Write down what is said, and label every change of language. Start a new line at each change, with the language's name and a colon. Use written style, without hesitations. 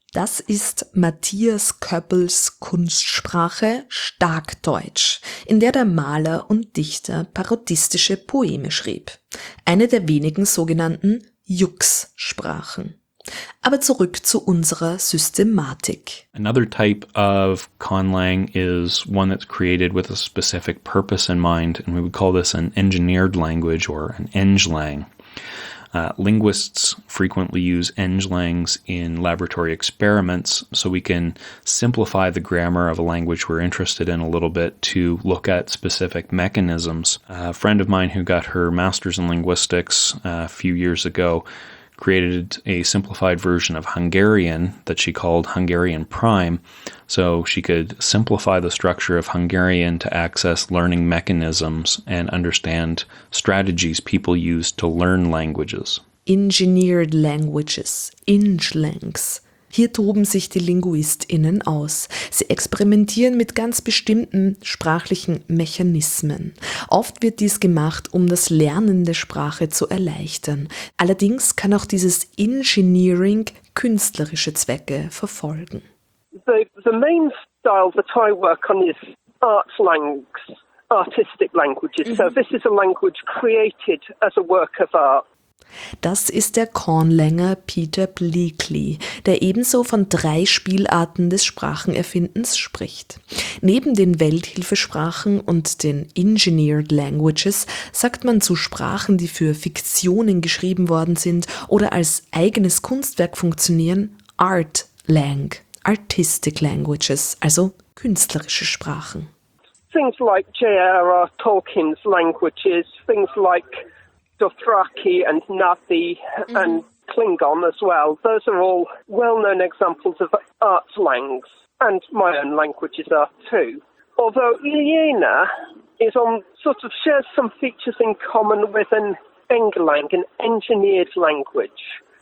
German: Das ist Matthias Köppels Kunstsprache Starkdeutsch, in der der Maler und Dichter parodistische Poeme schrieb. Eine der wenigen sogenannten Jux-Sprachen. Aber zurück zu unserer Systematik.
English: Another type of conlang is one that's created with a specific purpose in mind, and we would call this an engineered language or an englang. Linguists frequently use englangs in laboratory experiments, so we can simplify the grammar of a language we're interested in a little bit to look at specific mechanisms. A friend of mine who got her master's in linguistics a few years ago created a simplified version of Hungarian that she called Hungarian Prime, so she could simplify the structure of Hungarian to access learning mechanisms and understand strategies people use to learn languages. Engineered languages, englangs.
German: Hier toben sich die LinguistInnen aus. Sie experimentieren mit ganz bestimmten sprachlichen Mechanismen. Oft wird dies gemacht, um das Lernen der Sprache zu erleichtern. Allerdings kann auch dieses Engineering künstlerische Zwecke verfolgen.
English: The main style that I work on is artslangs, artistic languages. So this is a language created as a work of art.
German: Das ist der Kornlänger Peter Bleakley, der ebenso von drei Spielarten des Sprachenerfindens spricht. Neben den Welthilfesprachen und den Engineered Languages sagt man zu Sprachen, die für Fiktionen geschrieben worden sind oder als eigenes Kunstwerk funktionieren, Art Lang, Artistic Languages, also künstlerische Sprachen.
English: Things like J.R.R. Tolkien's Languages, things like Dothraki and Na'vi and Klingon as well. Those are all well-known examples of art slangs, and my own languages are too. Although Iliana is on, sort of shares some features in common with an englang, an engineered language.